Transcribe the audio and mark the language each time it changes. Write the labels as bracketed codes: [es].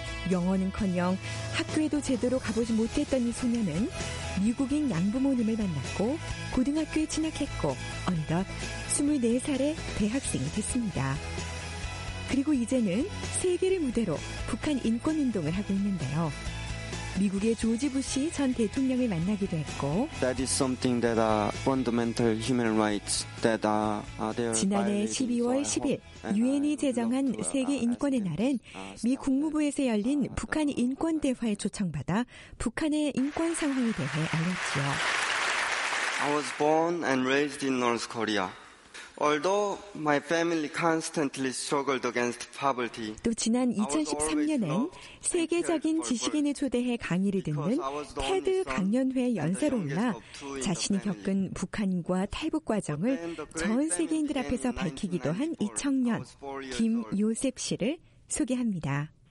[ko] 영어는커녕 학교에도 제대로 가보지 못했던 이 소년은 미국인 양부모님을 만났고 고등학교에 진학했고 어느덧 24살의 대학생이 됐습니다. 그리고 이제는 세계를 무대로 북한 인권운동을 하고 있는데요. 미국의 조지 부시 전 대통령을 만나기도 했고 [en] that is something that are fundamental human rights that are [ko] 지난해 12월 10일 UN이 제정한 세계 인권의 날엔 미 국무부에서 열린 북한 인권대화에 초청받아 북한의 인권 상황에 대해 알렸지요. [en] I was born and raised in North Korea. Although my family constantly struggled against poverty, [ko] 또 지난 2013년엔 세계적인 지식인의 초대해 강의를 듣는 테드 강연회 연설을 올라 자신이 겪은 북한과 탈북 과정을 전 세계인들 앞에서 밝히기도 한 이 청년 김요셉 씨를 소개합니다.